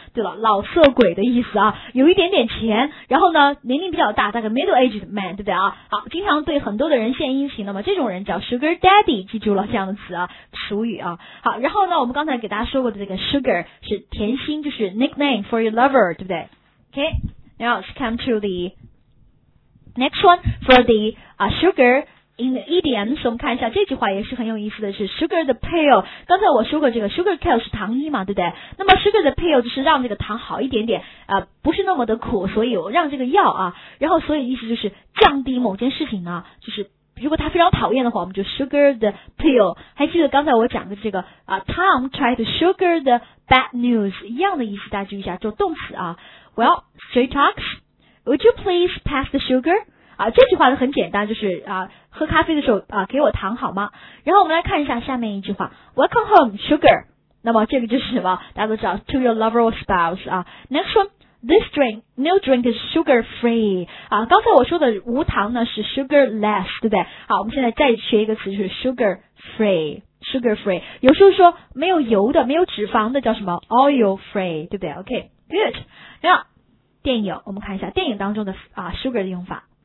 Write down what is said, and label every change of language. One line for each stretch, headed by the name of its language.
Chinese: 对了，老色鬼的意思啊，有一点点钱，然后呢年龄比较大，大概
English: middle aged man，
Chinese: 对不对啊？好，经常对很多的人献殷勤的嘛，这种人叫 sugar daddy， 记住了这样的词啊，俗语啊。好，然后呢我们刚才给大家说过的这个 sugar 是甜心，就是
English: nickname for your lover，
Chinese: 对不对？
English: OK， now let's come to the next one for the sugar in the idioms。
Chinese: 我们看一下这句话也是很有意思的，是 sugar the pill， 刚才我说过这个 sugar pill 是糖衣嘛，对不对？那么 sugar the pill 就是让这个糖好一点点不是那么的苦，所以让这个药啊，然后所以意思就是降低某件事情呢，就是如果他非常讨厌的话，我们就 sugar the pill。还记得刚才我讲的这个
English: Tom tried to sugar the bad news
Chinese: 一样的意思，大家注意一下，就动词啊。
English: Well, straight talks, would you please pass the sugar？
Chinese: 啊，这句话呢很简单，就是喝咖啡的时候给我糖好吗？然后我们来看一下下面一句话，
English: welcome home sugar，
Chinese: 那么这个就是什么，大家都知道，
English: to your lover or spouse
Chinese: 啊。
English: next one，This drink, new drink is sugar free.
Chinese: 啊，刚才我说的无糖呢是 sugar less, 对不对？好，我们现在再学一个词，就是 sugar free.
English: Sugar free.
Chinese: 有时候说没有油的，没有脂肪的叫什么 ?oil free, 对不对 ?OK, good. 那电影，我们看一下电影当中的sugar 的用法。